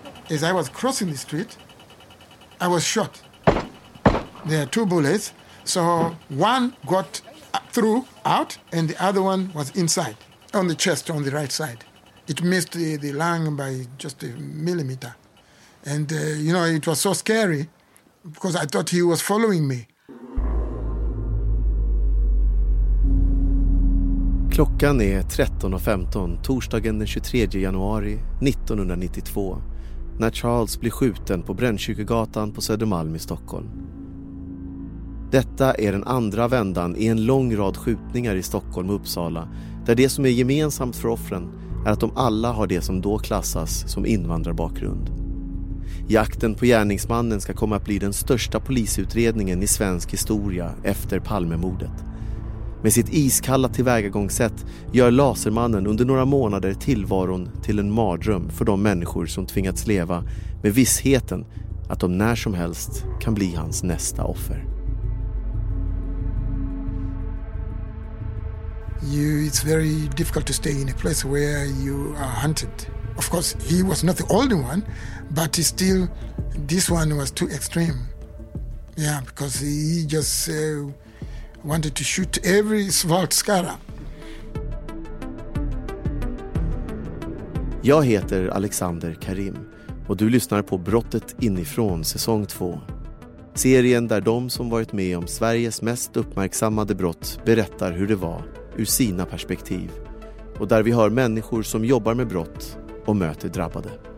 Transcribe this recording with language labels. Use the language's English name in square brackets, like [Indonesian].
[English] as I was crossing the street, I was shot. There are two bullets, so one got through out, and the other one was inside, on the chest, on the right side. It missed the lung by just a millimeter. And, you know, it was so scary because I thought he was following me. [Swedish] Klockan är 13.15 torsdagen den 23 januari 1992 när Charles blir skjuten på Brännkyrkogatan på Södermalm i Stockholm. Detta är den andra vändan i en lång rad skjutningar i Stockholm och Uppsala där det som är gemensamt för offren är att de alla har det som då klassas som invandrarbakgrund. Jakten på gärningsmannen ska komma att bli den största polisutredningen i svensk historia efter Palmemordet. Med sitt iskalla tillvägagångssätt gör lasermannen under några månader tillvaron till en mardröm för de människor som tvingats leva med vissheten att de när som helst kan bli hans nästa offer. [English] You, it's very difficult to stay in a place where you are hunted. Of course, he was not the older one, but still, this one was too extreme. Yeah, because he just wanted to shoot every small scarab. [Swedish] Jag heter Alexander Karim och du lyssnar på Brottet inifrån säsong 2. Serien där de som varit med om Sveriges mest uppmärksammade brott berättar hur det var ur sina perspektiv. Och där vi hör människor som jobbar med brott och möter drabbade.